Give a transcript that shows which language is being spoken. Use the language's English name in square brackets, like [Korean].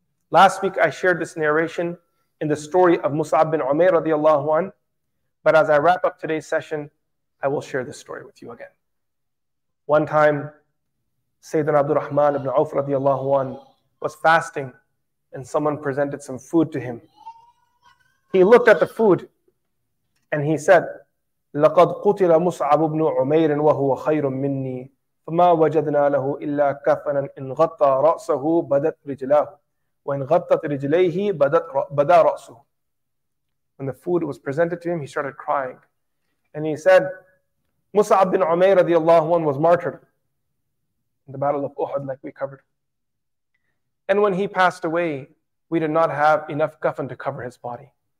[English] Last week I shared this narration in the story of Mus'ab bin Umair radiallahu anh. But as I wrap up today's session, I will share this story with you again. One time, Sayyidina Abdul Rahman ibn Auf radiallahu anh was fasting and someone presented some food to him. He looked at the food and he said, [Arabic] لَقَدْ قُتِلَ مُصْعَبُ بْنُ عُمَيْرٍ وَهُوَ خَيْرٌ مِّنِّي فَمَا وَجَدْنَا لَهُ إِلَّا كَفَنًا إِنْ غَطَّى رَأْسَهُ بَدَتْ رِجْلَاهُ وَإِنْ غَطَّتْ رِجْلَيْهِ بَدَى رَأْسُهُ. [English] When the food was presented to him, he started crying. And he said, Mus'ab bin Umair radiallahu anhu was martyred in the Battle of Uhud, like we covered. And when he passed away, we did not have enough kafan to cover his body.